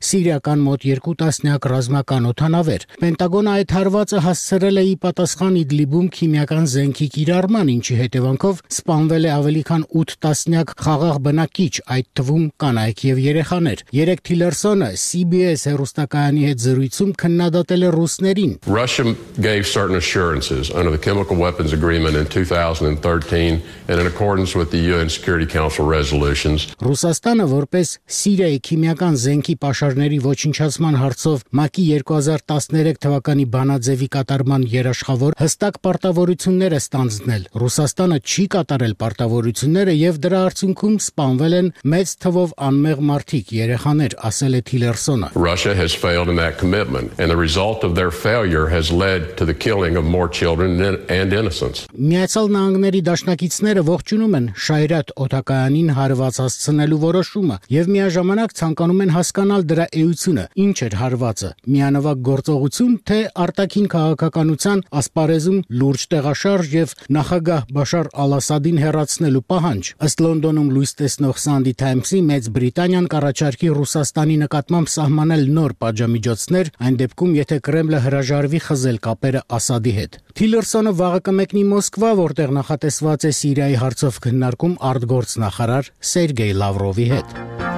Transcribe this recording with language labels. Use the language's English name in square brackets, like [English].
[Armenian] սիրիական մոտ 2 տասնյակ ռազմական օդանավեր։ Պենտագոնը այդ հարվածը հասցրել է ի պատասխան Իդլիբում քիմիական զենքի կիրառման, ինչի հետևանքով սպանվել է ավելի քան 8 տասնյակ խաղաղ բնակիչ, այդ թվում կանայք եւ երեխաներ։ Երեք Թիլերսոնը CBS հեռուստակայանի հետ զրույցում քննադատել է ռուսներին. [English] Russia gave certain assurances under the chemical weapons agreement in 2013 and in accordance with the UN Security Council resolutions. [Armenian] Ռուսաստանը որպես Սիրիայի քիմիական զենքի պաշարների ոչինչ Չասման հարցով ՄԱԿ-ի 2013 թվականի բանաձևի կատարման երաշխավոր հստակ պարտավորություններ է ստանձնել։ Ռուսաստանը չի կատարել պարտավորությունները եւ դրա արդյունքում սպանվել են մեծ թվով անմեղ մարդիկ, երեխաներ, ասել է Թիլերսոնը։ [English] Russia has failed in that commitment and the result of their failure has led to the killing of more children and innocents։ [Armenian] Միացյալ Նահանգների դաշնակիցները ողջունում են Շայրատ օտակայանին հարված հասցնելու որոշումը եւ միաժամանակ ցանկանում են հասկանալ դրա էությունը։ Ինչ էր հարվածը, միանավակ գործողություն, թե արտաքին քաղաքականության ասպարեզում լուրջ տեղաշարժ և նախագահ Բաշար Ալ-Ասադին հեռացնելու պահանջ։ Ըստ Լոնդոնում լույս տեսնող Սանդի Թայմսի, Մեծ Բրիտանիան կառաջարկի Ռուսաստանի նկատմամբ սահմանել նոր պատժամիջոցներ, այն դեպքում, եթե Կրեմլը հրաժարվի խզել կապերը Ասադի հետ։ Թիլերսոնը վաղը կմեկնի Մոսկվա, որտեղ նախատեսված է Սիրիայի հարցով քննարկում արտգործնախարար Սերգեյ Լավրովի հետ։